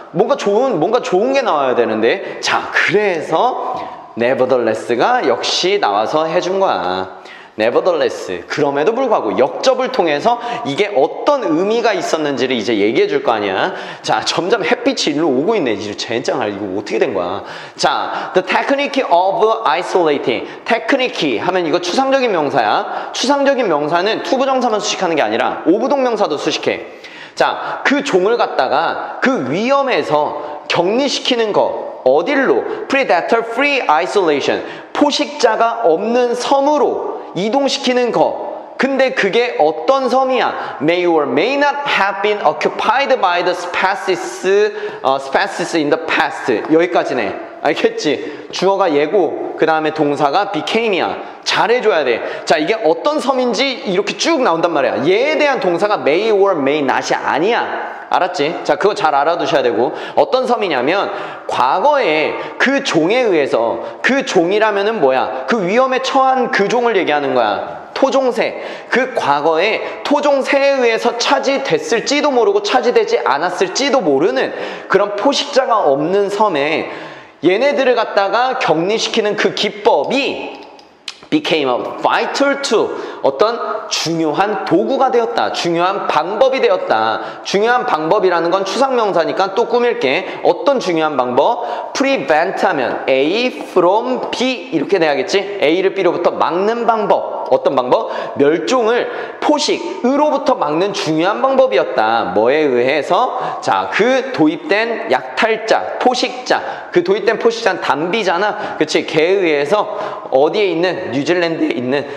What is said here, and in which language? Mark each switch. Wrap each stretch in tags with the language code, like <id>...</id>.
<ko>뭔가 좋은 게 나와야 되는데. 자, 그래서 nevertheless가 역시 나와서 해준 거야.</ko> <en>nevertheless.</en> <ko>그럼에도 불구하고 역접을 통해서 이게 어떤 의미가 있었는지를 이제 얘기해 줄 거 아니야. 자, 점점 햇빛이 일로 오고 있네. 이제 젠장할. 이거 어떻게 된 거야?</ko> <en>자, the technique of isolating.</en> <ko>technique 하면 이거 추상적인 명사야. 추상적인 명사는 투부정사만 수식하는 게 아니라 오부동명사도 수식해. 자, 그 종을 갖다가 그 위험에서 격리시키는 거. 어딜로?</ko> <en>predator free isolation.</en> <ko>포식자가 없는 섬으로 이동시키는 거. 근데 그게 어떤 섬이야?</ko> <en>may or may not have been occupied by the species in the past.</en> <ko>여기까지네. 알겠지? 주어가 예고, 그 다음에 동사가 became이야. 잘해줘야 돼. 자, 이게 어떤 섬인지 이렇게 쭉 나온단 말이야. 얘에 대한 동사가</ko> <en>may or may not</en> <ko>이 아니야. 알았지? 자, 그거 잘 알아두셔야 되고. 어떤 섬이냐면 과거에 그 종에 의해서, 그 종이라면은 뭐야? 그 위험에 처한 그 종을 얘기하는 거야. 토종새. 그 과거에 토종새에 의해서 차지됐을지도 모르고 차지되지 않았을지도 모르는 그런 포식자가 없는 섬에 얘네들을 갖다가 격리시키는 그 기법이</ko> <en>became a vital tool,</en> <ko>어떤 중요한 도구가 되었다, 중요한 방법이 되었다. 중요한 방법이라는 건 추상명사니까 또 꾸밀게. 어떤 중요한 방법? prevent 하면 A from B 이렇게 돼야겠지. A를 B로부터 막는 방법. 어떤 방법? 멸종을 포식으로부터 막는 중요한 방법이었다. 뭐에 의해서? 자, 그 도입된 약탈자, 포식자, 그 도입된 포식자는 담비잖아. 그치? 개에 의해서 어디에 있는? 뉴질랜드에 있는.</ko>